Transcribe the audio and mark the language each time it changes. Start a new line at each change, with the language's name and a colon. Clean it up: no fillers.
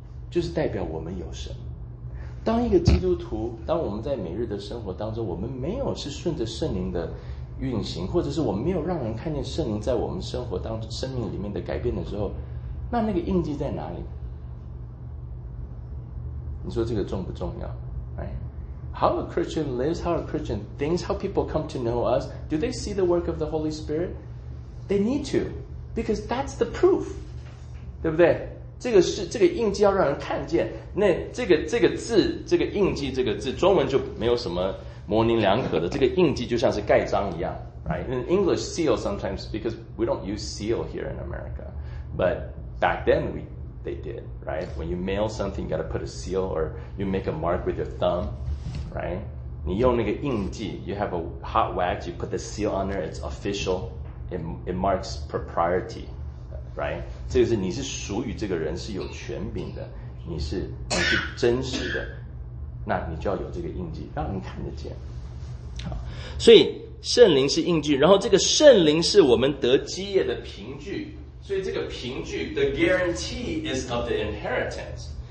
Chinese: 就是代表我们有神。当一个基督徒，当我们在每日的生活当中，我们没有是顺着圣灵的运行，或者是我们没有让人看见圣灵在我们生活当中生命里面的改变的时候，那那个印记在哪里？你说这个重不重要？
English: How a Christian lives, how a Christian thinks, how people come to know us, do they see the work of the Holy Spirit? They need to, because that's the proof.
Chinese: 对不对？这个是这个印记要让人看见，那这个字，这个印记，这个字中文就没有什么模棱两可的，这个印记就像是盖章一样，
English: right? In English, seal sometimes, because we don't use seal here in America, but back then they did, right? When you mail something, you gotta put a seal, or you make a mark with your thumb, right?
Chinese: 你用那个印记，
English: you have a hot wax, you put the seal on there, it's official, it marks propriety. Right?
Chinese: 这个是你是属于这个人，是有权柄的，你是真实的，那你就要有这个印记，让人看得见。好，所以圣灵是印记，然后这个圣灵是我们得基业的凭据，所以这个凭据
English: the guarantee is of the inheritance。